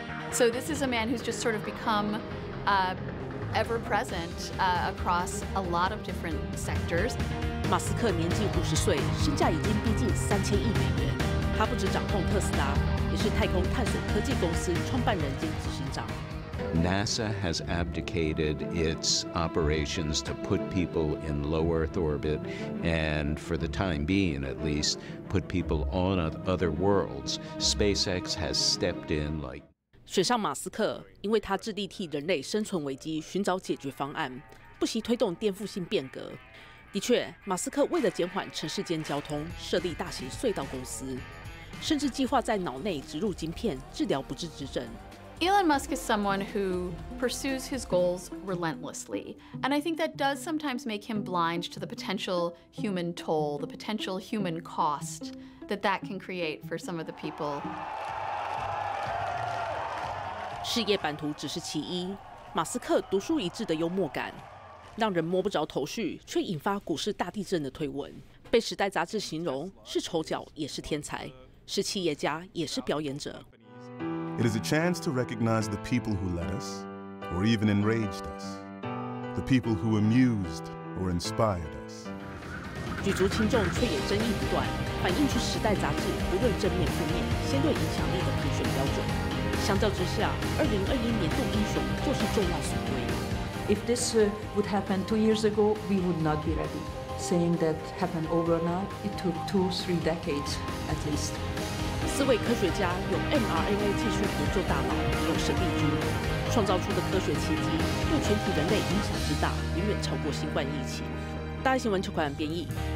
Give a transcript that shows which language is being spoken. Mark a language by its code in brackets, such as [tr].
[en] So this is a man who's just sort of become, ever present, across a lot of different sectors. [zh] 马斯克年近50岁，身价已经逼近3000亿美元。他不止掌控特斯拉，也是太空探索科技公司创办人兼执行长。 [en] NASA has abdicated its operations to put people in low Earth orbit, and for the time being, at least, put people on other worlds. SpaceX has stepped in like. [zh] 选上马斯克，因为他致力替人类生存危机寻找解决方案，不惜推动颠覆性变革。的确，马斯克为了减缓城市间交通，设立大型隧道公司，甚至计划在脑内植入晶片治疗不治之症。 [en] Elon Musk is someone who pursues his goals relentlessly, and I think that does sometimes make him blind to the potential human toll, the potential human cost that that can create for some of the people. [zh] 事业版图只是其一，马斯克独树一帜的幽默感。让人摸不着头绪，却引发股市大地震的推文，被《时代》杂志形容是丑角也是天才，是企业家也是表演者。 [en] It is a chance to recognize the people who led us, or even enraged us, the people who amused or inspired us。 [zh] 举足轻重却也争议不断，反映出《时代》杂志无论正面负面，先对影响力的评选标准。相较之下，2021年度英雄就是众望所归。 [en] If this would happen 2 years ago, we would not be ready. Saying that happened overnight, it took 2-3 decades at least. [zh] 四位科学家用 mRNA 技术研究大脑，用神力军创造出的科学奇迹，对全体人类影响之大，远远超过新冠疫情。大新闻邱冠安编译。